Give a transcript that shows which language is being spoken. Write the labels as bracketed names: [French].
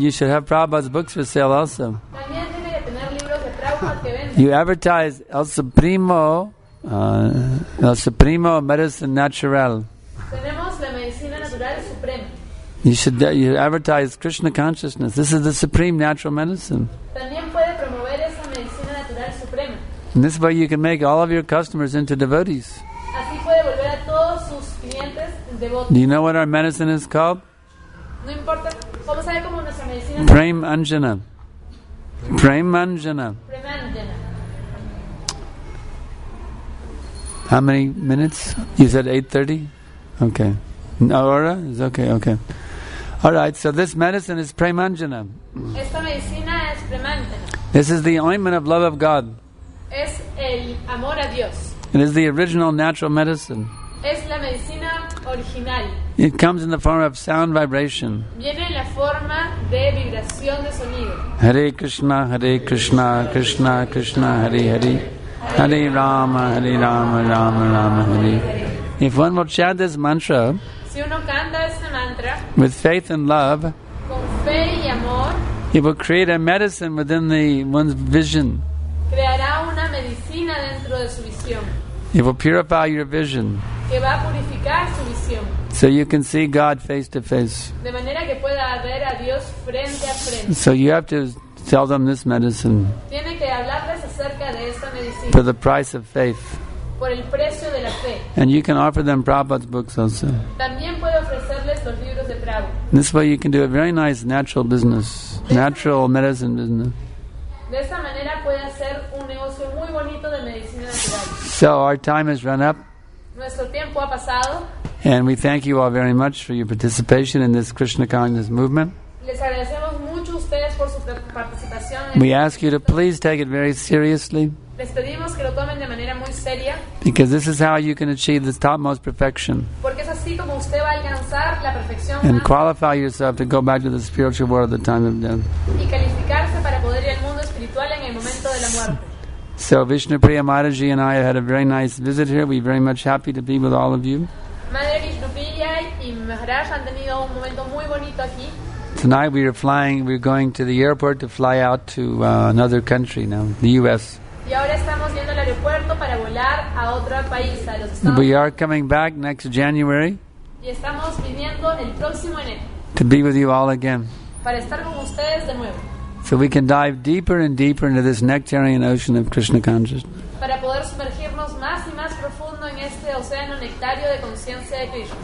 [English] You should have Prabhupada's books for sale also. [Spanish] También tiene que tener libros de Prabhupada que venden. [English] You advertise El Supremo Medicine Natural. [Spanish] Tenemos la medicina natural suprema. [English] You should advertise Krishna consciousness. This is the supreme natural medicine. [Spanish] También puede promover esa medicina natural suprema. [English] And this way you can make all of your customers into devotees. [Spanish] Así puede volver a todos sus clientes devotos. [English] Do you know what our medicine is called? [Spanish] No importa. ¿Cómo sabe cómo nuestra medicina? [English] Prem Anjana. Prem Anjana. Prem Anjana. How many minutes? You said 8:30? Okay. Aurora? Is okay, okay. All right, so this medicine is Premanjana. [Spanish] Esta medicina es Premanjana. [English] This is the ointment of love of God. [Spanish] Es el amor a Dios. [English] It is the original natural medicine. [Spanish] Es la medicina original. [English] It comes in the form of sound vibration. [Spanish] Viene en la forma de vibración de sonido. [Sanskrit] Hare Krishna, Hare Krishna, Krishna Krishna, Hare Hare. Hare Hare Rama, Hare Rama, Rama Rama, Hare. [English] If one will chant this mantra, [Spanish] si uno canta este mantra [English] with faith and love, [Spanish] con fe y amor, [English] it will create a medicine within the one's vision. [Spanish] Creará una medicina dentro de su visión. [English] It will purify your vision. [Spanish] Que va a purificar su visión. [English] So you can see God face to face. [Spanish] De manera que pueda ver a Dios frente a frente. [English] So you have to tell them this medicine. [Spanish] Tiene que hablarles acerca de esta medicina. [English] For the price of faith. [Spanish] Por el precio de la fe. [English] And you can offer them Prabhupada's books also. [Spanish] También puedo ofrecerles los libros de Prabhupada. [English] This way you can do a very nice natural business. Natural medicine business. [Spanish] De esta manera puede hacer un negocio muy bonito de medicina natural. [English] So our time has run up. [Spanish] Nuestro tiempo ha pasado. [English] And we thank you all very much for your participation in this Krishna consciousness movement. [Spanish] Les agradecemos mucho a ustedes por su participación. [English] We ask you to please take it very seriously. [Spanish] Les pedimos que lo tomen de manera muy seria. [English] Because this is how you can achieve the topmost perfection. [Spanish] Porque es así como usted va a alcanzar la perfección. [English] And qualify yourself to go back to the spiritual world at the time of death. [Spanish] Y calificarse para poder ir al mundo espiritual en el momento de la muerte. [English] So Vishnupriya Mataji and I had a very nice visit here. We're very much happy to be with all of you. [Spanish] Madre Vishnupriya y Maharaj han tenido un momento muy bonito aquí. [English] Tonight we're going to the airport to fly out to another country now, the U.S. [Spanish] Y ahora estamos yendo al aeropuerto para volar a otro país, a los Estados Unidos. [English] We are coming back next January. [Spanish] Y estamos viniendo el próximo enero. [English] To be with you all again. [Spanish] Para estar con ustedes de nuevo. [English] So we can dive deeper and deeper into this nectarian ocean of Krishna consciousness. [Spanish] Para poder sumergirnos más y más profundo en este océano nectario de conciencia de Krishna.